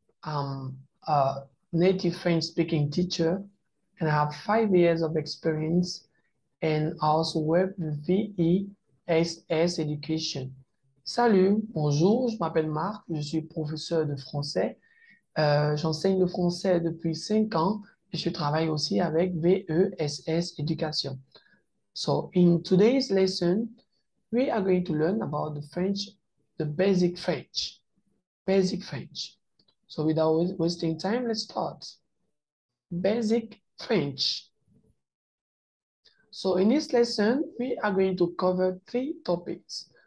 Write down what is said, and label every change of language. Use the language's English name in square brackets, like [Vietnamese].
[English] I'm a native French speaking teacher and I have 5 years of experience and also work with VESS Education. [French] Salut, bonjour, je m'appelle Marc, je suis professeur de français. J'enseigne le français depuis 5 ans et je travaille aussi avec VESS Education. [English] So, in today's lesson, we are going to learn about the French. The basic French. Basic French. So without wasting time, let's start. Basic French. So in this lesson, we are going to cover three topics.